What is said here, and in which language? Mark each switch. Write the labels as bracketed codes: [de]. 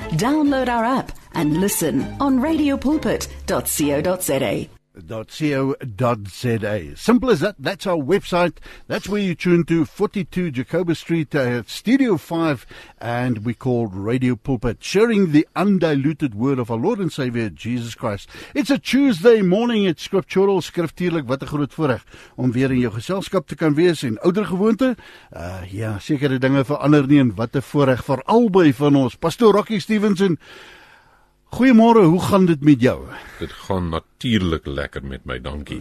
[en] Download our app and listen on radiopulpit.co.za. .co.za. Simple as that. That's our website. That's where you tune to 42 Jacoba Street, Studio 5, and we call Radio Pulpit, sharing the undiluted word of our Lord and Savior, Jesus Christ. It's a Tuesday morning. It's scriptural, [af] skriftuurlik, wat 'n groot voorreg om weer in jou geselskap te kan wees en oudergewoonte. Sekere dinge verander nie, en wat 'n voorreg vir albei van ons. Pastor Rocky Stevenson, goeiemôre, hoe gaan dit met jou? Dit gaan natuurlik lekker met my, dankie.